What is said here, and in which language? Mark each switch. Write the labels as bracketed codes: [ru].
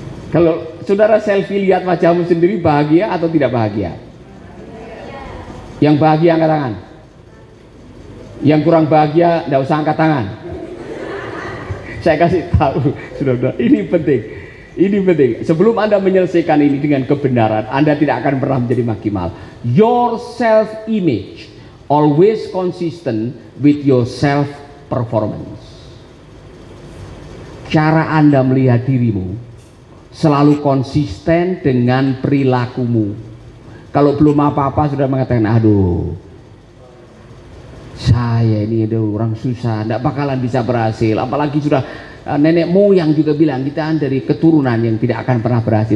[id] Kalau saudara selfie lihat wajahmu sendiri bahagia atau tidak bahagia? Yang bahagia angkat tangan. Yang kurang bahagia enggak usah angkat tangan. Saya kasih tahu, saudara, ini penting. Ini penting. Sebelum Anda menyelesaikan ini dengan kebenaran, Anda tidak akan pernah menjadi maksimal. [en] Your self image always consistent with your self performance. [id] Cara Anda melihat dirimu selalu konsisten dengan perilakumu. Kalau belum apa-apa sudah mengatakan, aduh, saya ini ada orang susah, tidak bakalan bisa berhasil. Apalagi sudah nenek moyang juga bilang, kita dari keturunan yang tidak akan pernah berhasil.